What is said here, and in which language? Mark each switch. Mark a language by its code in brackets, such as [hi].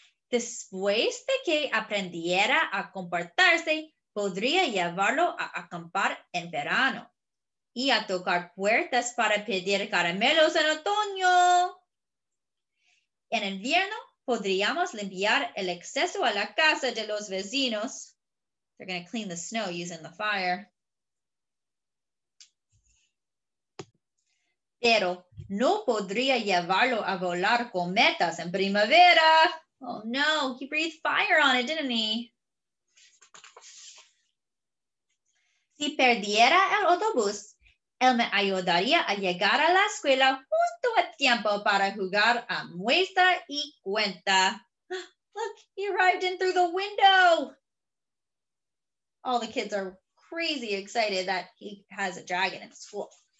[es] Después de que aprendiera a comportarse, podría llevarlo a acampar en verano y a tocar puertas para pedir caramelos en otoño. En invierno, podríamos limpiar el exceso a la casa de los vecinos. [en] They're going to clean the snow using the fire. [es] Pero no podría llevarlo a volar cometas en primavera. [en] Oh no, he breathed fire on it, didn't he? [es] Si perdiera el autobús, él me ayudaría a llegar a la escuela justo a tiempo para jugar a muestra y cuenta. [en] Look, he arrived in through the window. All the kids are crazy excited that he has a dragon in school.